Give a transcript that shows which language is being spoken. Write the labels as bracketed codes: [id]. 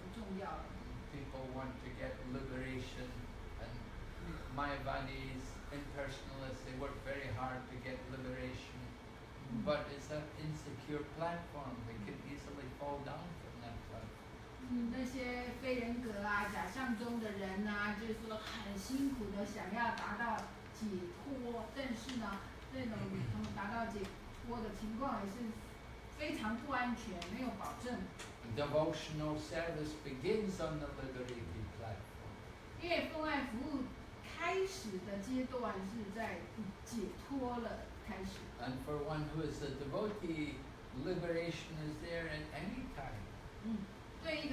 [en] People want to get liberation, and Mayavadis, impersonalists, they work very hard to get liberation, but it's an insecure platform. They could easily fall down from that platform. [zh] 那些非人格啊，假象中的人啊，就是说很辛苦的想要达到解脱，但是呢，那种他们达到解脱的情况也是非常不安全，没有保证。 [en] Devotional service begins on the liberating platform. [zh] 因为奉爱服务开始的阶段是在解脱了开始。 [en] And for one who is a devotee, liberation is there at any time.